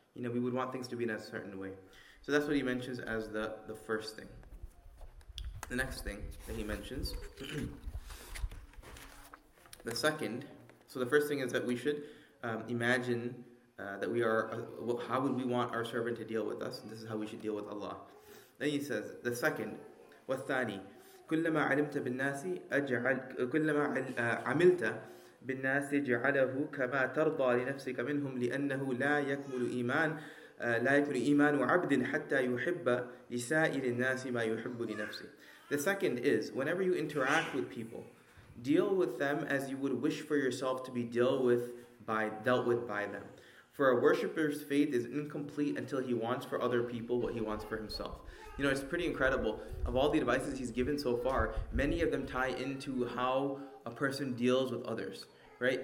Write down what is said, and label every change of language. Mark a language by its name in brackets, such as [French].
[English] You know, we would want things to be in a certain way. So that's what he mentions as the first thing. The next thing that he mentions, the second, so the first thing is that we should imagine that we are, how would we want our servant to deal with us? This is how we should deal with Allah. Then he says, the second, [Arabic] والثاني, كلما علمت بالناس أجعل كلما عملت بالناس جعله كما ترضى لنفسك منهم لأنه لا يكمل إيمان لا يكمل إيمان عبد حتى يحب لسائر الناس ما يحب لنفسه. [English] The second is, whenever you interact with people, deal with them as you would wish for yourself to be dealt with by them. For a worshipper's faith is incomplete until he wants for other people what he wants for himself. You know, it's pretty incredible. Of all the advices he's given so far, many of them tie into how a person deals with others, right?